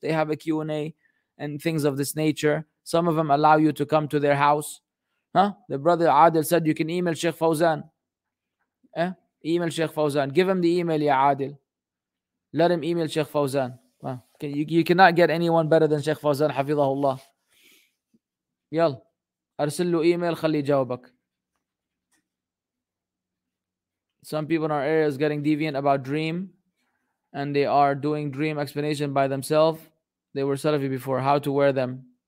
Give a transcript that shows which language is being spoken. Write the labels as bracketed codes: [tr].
[en] They have a Q&A and things of this nature. Some of them allow you to come to their house. Huh? The brother Adil said you can email Sheikh Fawzan. Eh? Email Sheikh Fawzan. Give him the email, ya Adil. Let him email Sheikh Fawzan. You cannot get anyone better than Sheikh Fawzan, hafizahullah. [ar] يلا أرسل له إيميل خلي يجاوبك. [en] Some people in our area is getting deviant about dream and they are doing dream explanation by themselves. They were Salafi before. How to wear them?